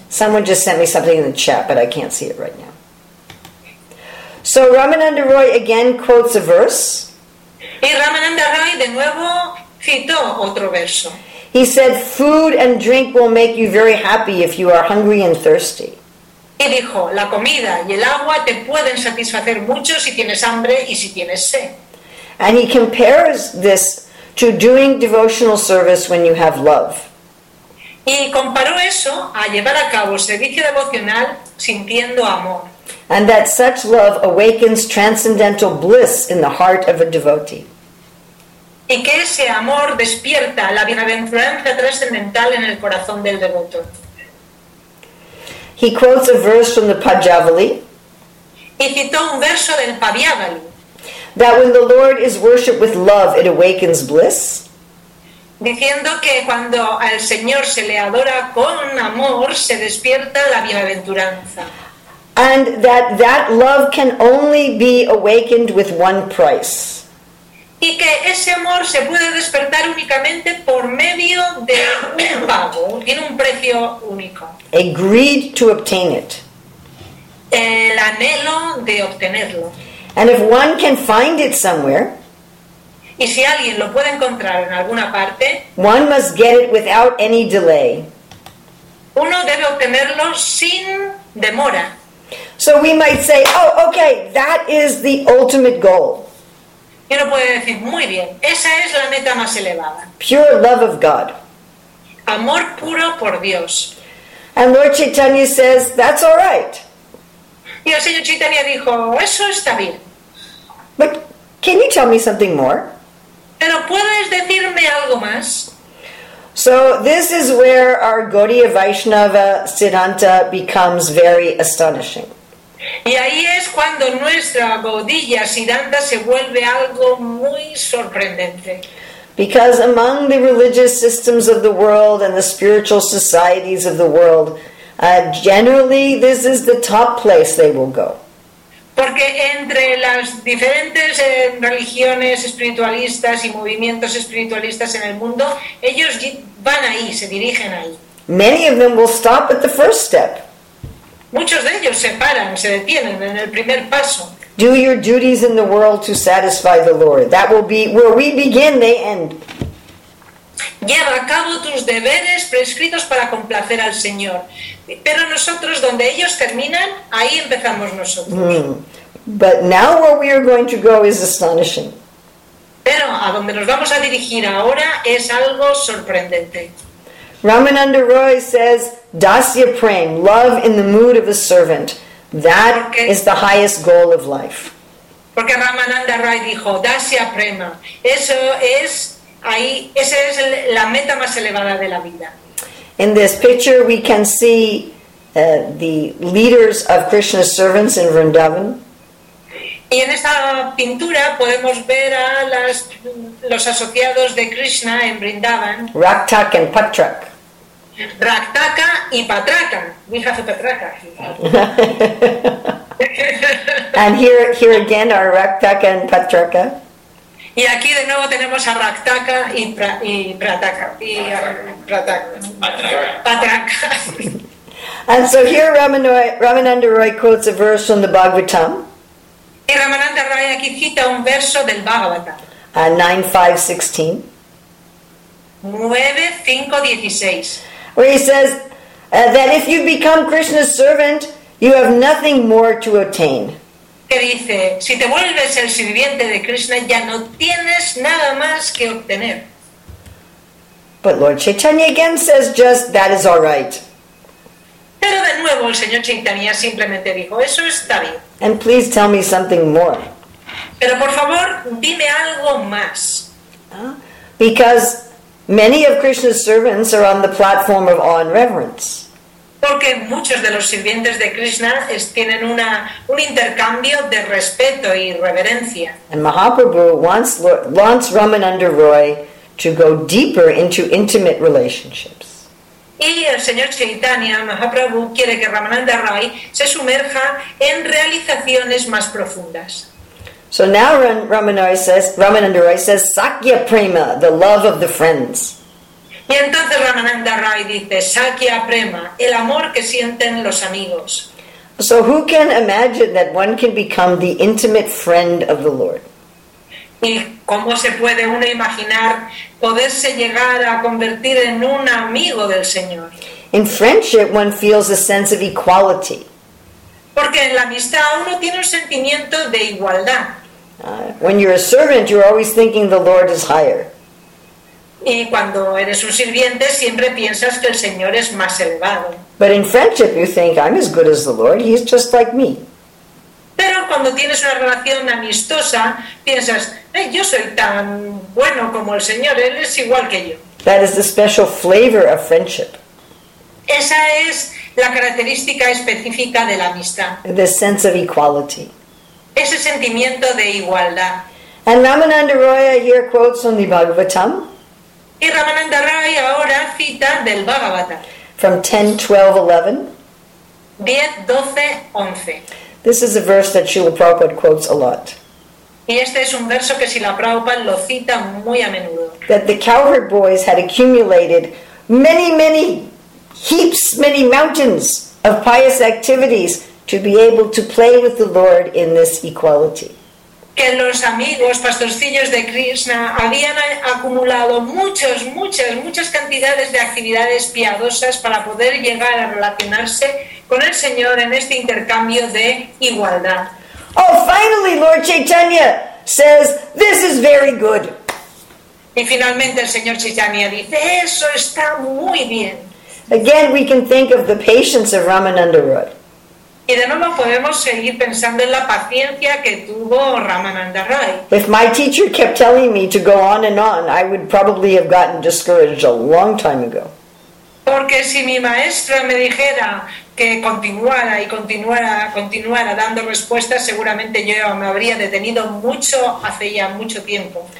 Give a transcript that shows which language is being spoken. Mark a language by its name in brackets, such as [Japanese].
[English] Someone just sent me something in the chat, but I can't see it right now. So Ramananda Roy again quotes a verse. [Spanish] Y Ramananda Roy de nuevo citó otro verso. [English] He said, food and drink will make you very happy if you are hungry and thirsty. [Spanish] Y dijo, la comida y el agua te pueden satisfacer mucho si tienes hambre y si tienes sed. [English] And he compares this to doing devotional service when you have love. [Spanish] Y comparó eso a llevar a cabo servicio devocional sintiendo amor. [English] And that such love awakens transcendental bliss in the heart of a devotee. [Spanish] Y que ese amor despierta la bienaventuranza trascendental en el corazón del devoto. [English] He quotes a verse from the Pajavali. [Spanish] Y citó un verso del Pajavali. [English] That when the Lord is worshipped with love, it awakens bliss. [Spanish] Diciendo que cuando al Señor se le adora con amor, se despierta la bienaventuranza. [English] And that that love can only be awakened with one price. [Spanish] Y que ese amor se puede despertar únicamente por medio de un pago, tiene un precio único. [English] A greed to obtain it. [Spanish] El anhelo de obtenerlo. [English] And if one can find it somewhere, [Spanish] y si alguien lo puede encontrar en alguna parte, [English] one must get it without any delay. [Spanish] Uno debe obtenerlo sin demora. [English] So we might say, oh, okay, that is the ultimate goal. [Spanish] Y uno puede decir, muy bien, esa es la meta más elevada. [English] Pure love of God. [Spanish] Amor puro por Dios. [English] And Lord Chaitanya says, that's all right. [Spanish] Y el Señor Chaitanya dijo, eso está bien. [English] But can you tell me something more? [Spanish] ¿Pero puedes decirme algo más? [English] So this is where our Gaudiya Vaishnava Siddhanta becomes very astonishing. [Spanish] Y ahí es cuando nuestra Gaudiya Siddhanta se vuelve algo muy sorprendente. [English] Because among the religious systems of the world and the spiritual societies of the world, generally this is the top place they will go. [Spanish] Porque entre las diferentes religiones espiritualistas y movimientos espiritualistas en el mundo, ellos van ahí, se dirigen ahí. [English] Many of them will stop at the first step. [Spanish] Muchos de ellos se paran, se detienen en el primer paso. [English] Do your duties in the world to satisfy the Lord. That will be where we begin, they end. [Spanish] Lleva a cabo tus deberes prescritos para complacer al Señor. Pero nosotros, donde ellos terminan, ahí empezamos nosotros. [English] But now where we are going to go is astonishing. [Spanish] Pero a donde nos vamos a dirigir ahora es algo sorprendente. [English] Ramananda Roy says, Dasya Prem, love in the mood of a servant. That is the highest goal of life. [Spanish] Porque Ramananda Roy dijo, Dasya Prema, eso es... ahí, esa es la meta más elevada de la vida. [English] In this picture we can see the leaders of Krishna's servants in Vrindavan. [Spanish] Y en esta pintura podemos ver a los asociados de Krishna en Vrindavan. [English] Raktak and Patrak. [Spanish] Raktaka y Patraka. [English] We have a Patraka. And here again are Raktaka and Patraka. [Spanish] Y aquí de nuevo tenemos a Raktaka y Prataka. Patraka. [English] And so here Ramananda Roy quotes a verse from the Bhagavatam. [Spanish] Y Ramananda Roy aquí cita un verso del Bhagavatam. 9.5.16. [English] Where he says that if you become Krishna's servant, you have nothing more to attain. [Spanish] Que dice, si te vuelves el sirviente de Krishna, ya no tienes nada más que obtener. [English] But Lord Chaitanya again says just, that is all right. [Spanish] Pero de nuevo el señor Chaitanya simplemente dijo, eso está bien. [English] And please tell me something more. [Spanish] Pero por favor, dime algo más. [English] Because many of Krishna's servants are on the platform of awe and reverence. [Spanish] Porque muchos de los sirvientes de Krishna tienen un intercambio de respeto y reverencia. [English] And Mahaprabhu wants Ramananda Roy to go deeper into intimate relationships. [Spanish] Y el señor Chaitanya Mahaprabhu quiere que Ramananda Roy se sumerja en realizaciones más profundas. [English] So now Ramananda Roy says Sakya Prema, the love of the friends. [Spanish] Y entonces Ramananda Roy dice, Sakya Prema, el amor que sienten los amigos. [English] So who can imagine that one can become the intimate friend of the Lord? [Spanish] ¿Y cómo se puede uno imaginar poderse llegar a convertir en un amigo del Señor? [English] In friendship one feels a sense of equality. [Spanish] Porque en la amistad uno tiene un sentimiento de igualdad. [English] When you're a servant, you're always thinking the Lord is higher. [Spanish] Y cuando eres un sirviente, siempre piensas que el Señor es más elevado. [English] But in friendship, you think, I'm as good as the Lord, he's just like me. [Spanish] Pero cuando tienes una relación amistosa, piensas, yo soy tan bueno como el Señor, él es igual que yo. [English] That is the special flavor of friendship. [Spanish] Esa es la característica específica de la amistad. [English] The sense of equality. [Spanish] Ese sentimiento de igualdad. [English] And Ramananda Roy here quotes from the Bhagavatam. [Spanish] Y Ramananda Roy ahora cita del Bhagavatam. [English] From 10.12.11. [Spanish] 10.12.11. [English] This is a verse that Srila Prabhupada quotes a lot. [Spanish] Y este es un verso que Srila Prabhupada lo cita muy a menudo. [English] That the cowherd boys had accumulated many, many heaps, many mountains of pious activities to be able to play with the Lord in this equality. [Spanish] Que los amigos pastorcillos de Krishna habían acumulado muchas cantidades de actividades piadosas para poder llegar a relacionarse con el Señor en este intercambio de igualdad. [English] Oh, finally, Lord Chaitanya says, this is very good. [Spanish] Y finalmente el señor Chaitanya dice, eso está muy bien. [English] Again, we can think of the patience of Ramananda Roy. [Spanish] Y de nuevo podemos seguir pensando en la paciencia que tuvo Ramananda Roy. [English] If my teacher kept telling me to go on and on, I would probably have gotten discouraged a long time ago. [Spanish] Porque si mi maestra me dijera que continuara y continuara dando respuestas, seguramente yo me habría detenido mucho hace ya mucho tiempo.